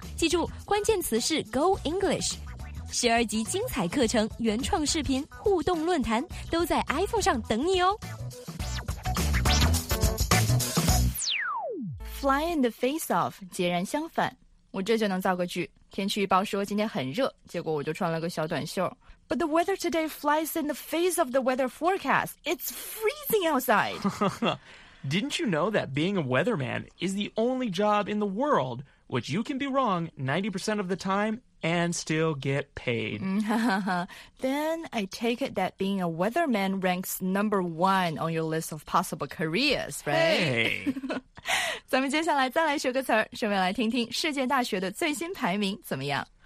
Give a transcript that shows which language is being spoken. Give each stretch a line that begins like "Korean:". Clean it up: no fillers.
Chinese: 记住，关键词是 Go English。十二级精彩课程、原创视频、互动论坛都在 iPhone 上等你哦。
English: Fly in the face of，
Chinese: 截然相反。我这就能造个句。天气预报说今天很热，结果我就穿了个小短袖。
English: But the weather today flies in the face of the weather forecast. It's freezing outside. Didn't you know that being a weatherman is the only job in the world which you can be wrong 90% of the time and still get paid? Then I take it that being a weatherman ranks number one on your list of possible careers, right? Hey!
Chinese: 咱们接下来再来学个词儿，顺便来听听世界大学的最新排名怎么样。